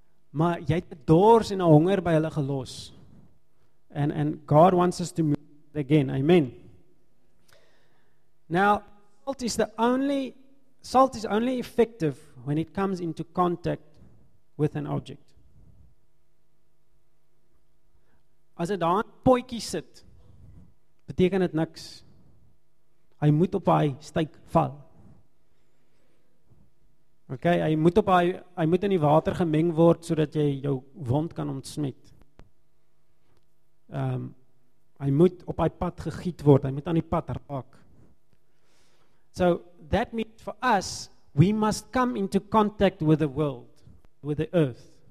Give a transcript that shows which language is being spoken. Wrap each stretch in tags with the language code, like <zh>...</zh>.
<af>Maar jy het 'n dors en 'n honger by hulle gelos.</af> <en>And God wants us to move again. Amen. Now, salt is only effective when it comes into contact with an object.</en> <af>As dit daar 'n potjie sit, beteken dit niks. Hy moet op hy styk val. Okay, hy moet in die water gemeng word sodat jy jou wond kan ontsmet. Hy moet op hy pad gegiet word, hy moet aan die pad raak.</af> <en>So that means for us, we must come into contact with the world, with the earth.</en>